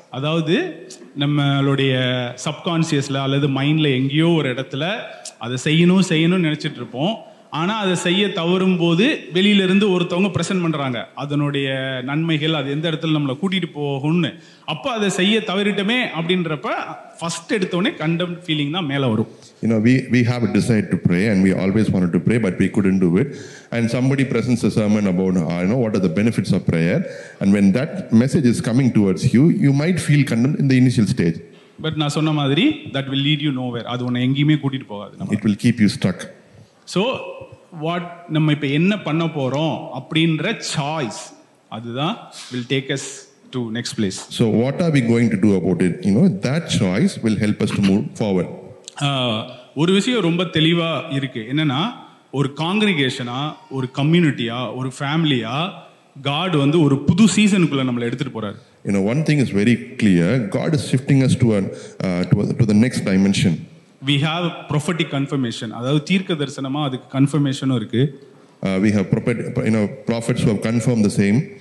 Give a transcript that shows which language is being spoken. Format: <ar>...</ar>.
<ta>அதாவது நம்மளுடைய சப்கான்சியஸில் அல்லது மைண்டில் எங்கேயோ ஒரு இடத்துல அதை செய்யணும்னு நினச்சிட்டு இருப்போம். ஆனால் அதை செய்ய தவறும் போது வெளியிலிருந்து ஒருத்தவங்க ப்ரெசென்ட் பண்ணுறாங்க அதனுடைய நன்மைகள், அது எந்த இடத்துல நம்மளை கூட்டிகிட்டு போகும்னு. அப்போ அதை செய்ய தவறிட்டோமே அப்படின்றப்ப ஃபஸ்ட் எடுத்தோடனே கண்டம் ஃபீலிங் தான் மேலே வரும்.</ta> <en>You know, we have a desire to pray and we always wanted to pray, but we couldn't do it. And somebody presents a sermon about, you know, what are the benefits of prayer. And when that message is coming towards you, you might feel condemned in the initial stage. But</en> <ta>na sonna madri,</ta> <en>that will lead you nowhere.</en> <ta>Adhu onna engiyume kootittu pogadhu.</ta> <en>It will keep you stuck. So, what</en> <ta>namma ipa enna panna porom, apdindra</ta> <en>choice,</en> <ta>adhu dhaan</ta> <en>will take us to next place. So, what are we going to do about it? You know, that choice will help us to move forward.</en> <ta>ஒரு விஷயம் ரொம்ப தெளிவா இருக்கு, என்னன்னா ஒரு காங்கிரிகேஷனா, ஒரு கம்யூனிட்டியா, ஒரு ஃபேமிலியா, God வந்து ஒரு புது சீசனுக்குள்ள நம்மளை எடுத்துட்டு போறாரு.</ta> <en>You know, one thing is very clear, God is shifting us to the next dimension. We have prophetic confirmation,</en> <ta>அதாவது தீர்க்க தரிசனமா அதுக்கு கன்ஃபர்மேஷனும் இருக்கு.</ta> <en>We have prophets who have confirmed the same.</en>